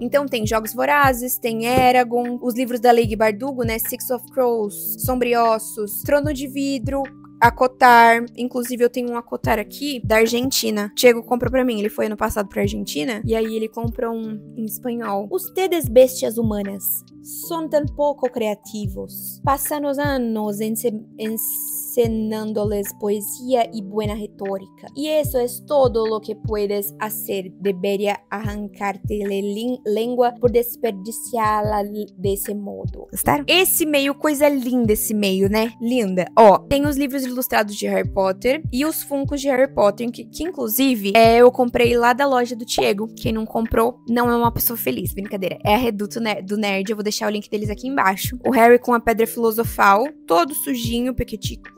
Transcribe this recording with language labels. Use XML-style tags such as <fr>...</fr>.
<pt>Então tem Jogos Vorazes, tem Eragon, os livros da Lady Bardugo, né? Six of Crows, Sombriossos, Trono de Vidro, Acotar. Inclusive, eu tenho um Acotar aqui da Argentina. Thiago comprou pra mim. Ele foi ano passado pra Argentina. E aí, ele comprou um em espanhol.</pt> <es>Ustedes, bestias humanas, son tan poco creativos. Passan los años ensenándoles poesía y buena retórica. Y eso es todo lo que puedes hacer. Debería arrancarte la lengua por desperdiciarla de ese modo.</es> <pt>Gostaram? Esse meio, coisa linda esse meio, né? Linda. Ó, tem os livros ilustrados de Harry Potter e os Funkos de Harry Potter, que inclusive eu comprei lá da loja do Thiago. Quem não comprou, não é uma pessoa feliz. Brincadeira. É a Reduto, né, do Nerd. Eu vou deixar o link deles aqui embaixo. O Harry com a Pedra Filosofal, todo sujinho, pequetico.</pt>